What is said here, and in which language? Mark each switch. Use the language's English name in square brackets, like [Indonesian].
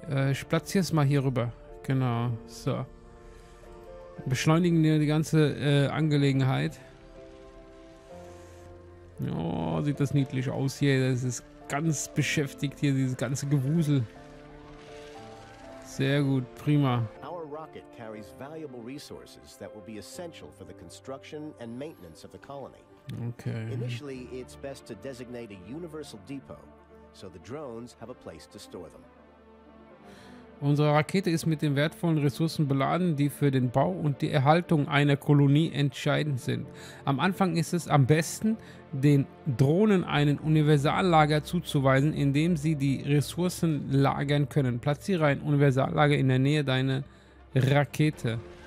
[German] Ich platziere es mal hier rüber. Genau, so. Beschleunigen wir die ganze Angelegenheit. Oh, sieht das niedlich aus hier. Das ist ganz beschäftigt hier, dieses ganze Gewusel. Sehr gut, prima. [English] Rocket carries valuable resources that will be essential for the construction and maintenance of the colony. Okay. Initially, it's best to designate a universal depot, so the drones have a place to store them. [German] Unsere Rakete ist mit den wertvollen Ressourcen beladen, die für den Bau und die Erhaltung einer Kolonie entscheidend sind. Am Anfang ist es am besten, den Drohnen einen Universallager zuzuweisen, in dem sie die Ressourcen lagern können. Platziere ein Universallager in der Nähe deiner Rakete.